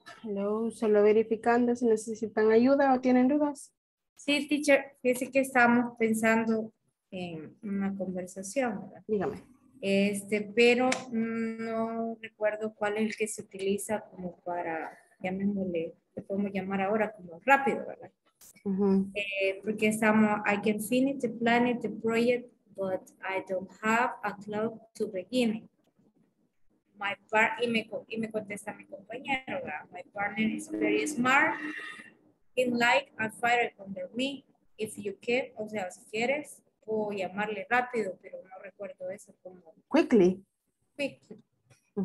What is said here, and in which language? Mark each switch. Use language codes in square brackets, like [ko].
[es] Hello, solo verificando si necesitan ayuda o tienen dudas. Sí, teacher, fíjese que estamos pensando en una conversación, ¿verdad? Dígame. Pero no recuerdo cuál es el que se utiliza como para, llamémosle, le podemos llamar ahora como rápido, ¿verdad? Uh-huh. Porque estamos, [en] I can finish the planning, the project, but I don't have a clue to begin it. My part, [es] y me contesta mi compañero, ¿verdad? [en] My partner is very smart. He like a fire under me. If you can, [es] o sea, si quieres, puedo llamarle rápido, pero no recuerdo eso como. [en] Quickly. Quickly. Uh-huh.